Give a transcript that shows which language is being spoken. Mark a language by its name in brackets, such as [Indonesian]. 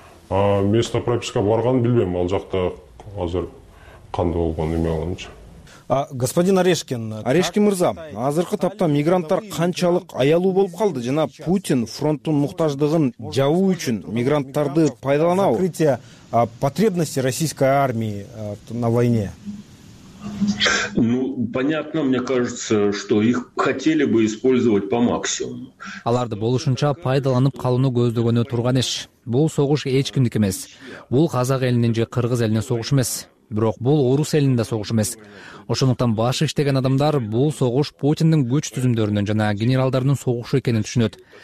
[Kyrgyz] А место прописка барганын билбейм, ал жакта азыр кандай болгон эме болгонунчу. А господин Орешкин, Орешкин мырза, азыркы тапта мигранттар канчалык аялуу болуп калды жана Путин фронттун муктаждыгын жабуу үчүн мигранттарды пайдаланабы? [Russian] Закрытие потребности российской армии на войне. Ну, понятно, мне кажется, что их хотели бы использовать по максимуму. [Kyrgyz] Аларды болушунча пайдаланып калууну көздөгөнү турган иш. Бул согуш эч кимдик эмес. Бул казак элинин же кыргыз элинин согушу эмес. Бирок бул орус элинин да согушу эмес. Ошондуктан башы иштеген адамдар бул согуш Путиндин күч түзүмдөрүнүн жана генералдарынын согушу экенин түшүнөт.